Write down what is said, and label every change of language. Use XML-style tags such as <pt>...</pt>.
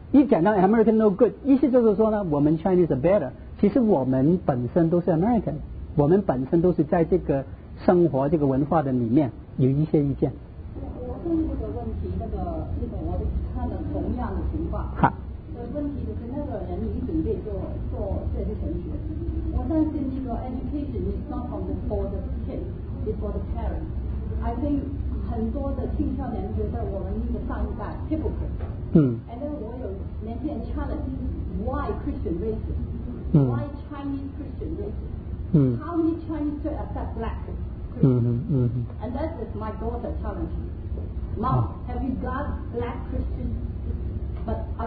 <zh>一讲到</zh> <en>American no good，</en> <zh>意思就是说呢，我们</zh> <en>Chinese are better，</en> <zh>其实我们本身都是 American， 我们本身都是在这个生活这个文化的里面有一些意见。我问一个问题，那个我看了同样的情况，好，问题就是那个人已经准备做这些程序，我相信这个</zh> <en>education is not only for the kids, it's for the parents. I think</en> <zh>很多的青少年觉得我们那个上一代 typical。嗯。</zh> <en>And then</en> <zh>我有年轻人</zh> <en>challenge why Christian racism,、嗯、 why Chinese Christian racism,、嗯、 how many Chinese should accept black Christian?、嗯嗯、 And that is my daughter challenging. Mom,、哦、have you got black Christian?</en>